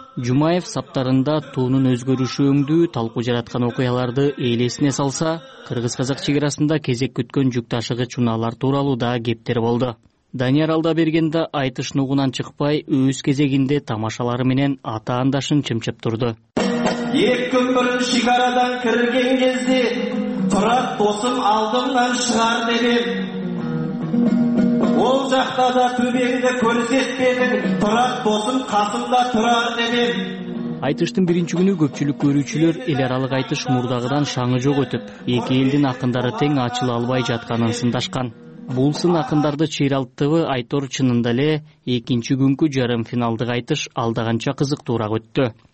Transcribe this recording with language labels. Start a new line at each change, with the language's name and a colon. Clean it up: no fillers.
Kyrgyz: Жумаев саптарында туунун өзгөрүшү өңдүү талкуу жараткан окуяларды эл эсине салса, кыргыз казак чек арасында кезек күткөн жүк ташыгыч унаалар тууралуу да кептер болду. Данияр Алдаберген да айтыш нугунан чыкпай, өз кезегинде тамашалары менен атаандашын чымчып турду. Эки көпүрүн шекарадан кирген кезде Турат досум алдымдан чыгар дедим.
Kazakh: ол жақта да төбеңді көрсетпедің, тұрат болсын қасында тұрар дедім.
Kyrgyz: Айтыштың биринчи күнү көпчүлүк көрүүчүлөр эл аралык айтыш мурдагыдан шаңы жок өтүп, эки элдин акындары тең ачыла албай жатканын сындашкан. Бул сын акындарды чыйралттыбы, айтор чынында эле экинчи күнкү жарым финалдык айтыш алдаганча кызыктуураак өттү.